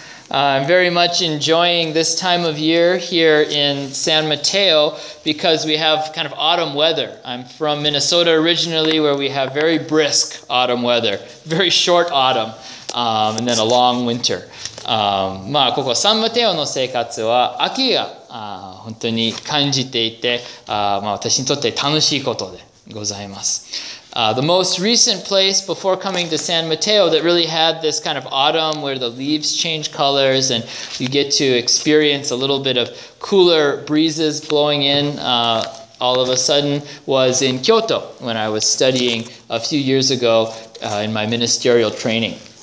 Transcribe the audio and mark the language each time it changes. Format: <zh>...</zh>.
<en>I'm very much enjoying this time of year here in San Mateo because we have kind of autumn weather. I'm from Minnesota originally, where we have very brisk autumn weather, very short autumn, and then a long winter.</en> <ja>ここサンマテオの生活は秋が本当に感じていて、私にとって楽しいことでございます。</ja> <en>The most recent place before coming to San Mateo that really had this kind of autumn where the leaves change colors and you get to experience a little bit of cooler breezes blowing in all of a sudden was in Kyoto when I was studying a few years ago in my ministerial training.</en>